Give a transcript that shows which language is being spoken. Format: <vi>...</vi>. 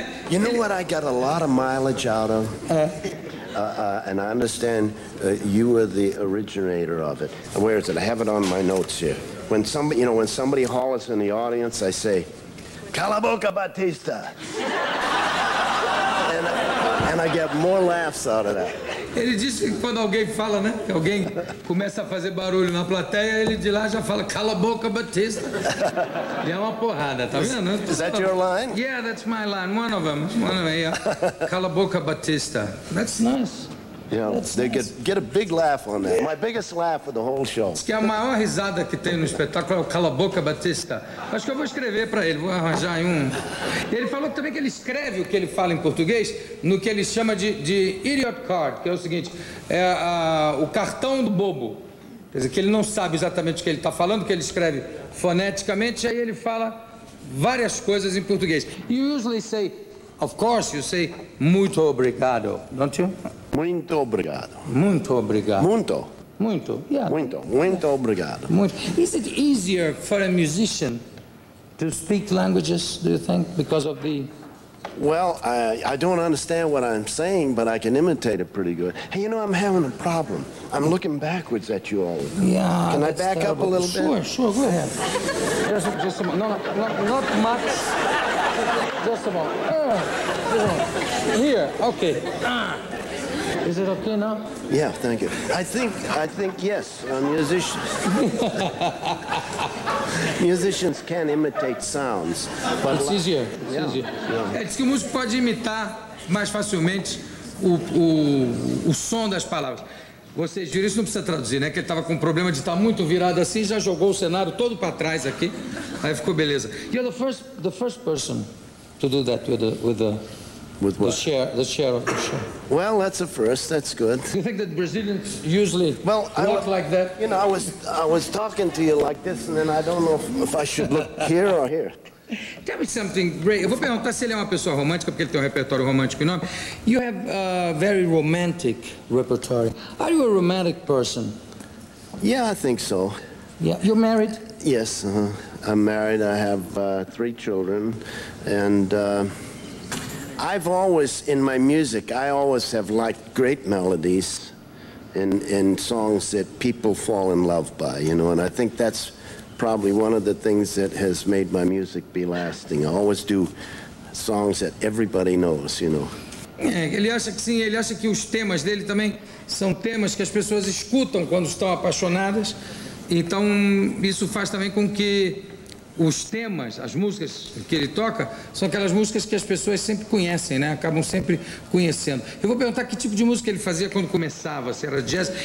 <en>You know what I got a lot of mileage out of? And I understand you were the originator of it. Where is it? I have it on my notes here. When somebody, you know, when somebody hollers in the audience, I say, Cala boca, Batista! and I get more laughs out of that.</en> <pt>Ele diz que quando alguém fala, né? Que alguém começa a fazer barulho na plateia, ele de lá já fala, cala a boca, Batista. E é uma porrada, tá vendo?</pt> <en>Is that your line? Yeah, that's my line. One of them, yeah. Cala a boca, Batista. That's nice. Yeah, that's they nice. Get a big laugh on that. My biggest laugh of the whole show.</en> <pt>Diz que a maior risada que tem no espetáculo é o cala a boca, Batista. Acho que eu vou escrever pra ele, vou arranjar aí um. E ele falou também que ele escreve o que ele fala em português no que ele chama de idiot card, que é o seguinte, é o cartão do bobo. Quer dizer, que ele não sabe exatamente o que ele está falando, que ele escreve foneticamente, aí ele fala várias coisas em português.</pt> <en>You usually say, of course, you say, muito obrigado, don't you?</en> <pt>Muito obrigado. Muito obrigado. Muito. Muito, yeah. Muito, muito obrigado. Muito.</pt> <en>Is it easier for a musician to speak languages, do you think, because of the... Well, I don't understand what I'm saying, but I can imitate it pretty good. Hey, you know, I'm having a problem. I'm looking backwards at you all. Yeah, can I back terrible. Up a little sure, bit? Sure, sure, go ahead. just a moment. No, not much. Just a moment. Here, okay. Is it okay now? Yeah, thank you. I think yes, musicians. Musicians can imitate sounds. But it's easier. Yeah. It's easier.</en> <pt>Diz que o músico pode imitar mais facilmente o som das palavras. Vocês viram isso, não precisa traduzir, né? Que ele estava com um problema de estar muito virado assim, já jogou o cenário todo para trás aqui. Aí ficou beleza.</pt> <en>You're the first person to do that with what? The chair. Well, that's a first. That's good. You think that Brazilians usually well, walk like that? You know, I was talking to you like this, and then I don't know if I should look here or here. Tell me something, Ray.</en> <pt>Eu vou perguntar se ele é uma pessoa romântica, porque ele tem um repertório romântico enorme.</pt> <en>You have a very romantic repertory. Are you a romantic person? Yeah, I think so. Yeah. You're married? Yes, I'm married. I have 3 children, and... I've always, in my music, I always have liked great melodies, in songs that people fall in love by, you know, and I think that's probably one of the things that has made my music be lasting. I always do songs that everybody knows, you know.</en> <pt>Ele acha que sim, ele acha que os temas dele também são temas que as pessoas escutam quando estão apaixonadas. Então, isso faz também com que os temas, as músicas que ele toca, são aquelas músicas que as pessoas sempre conhecem, né? Acabam sempre conhecendo. Eu vou perguntar que tipo de música ele fazia quando começava, se era jazz.</pt>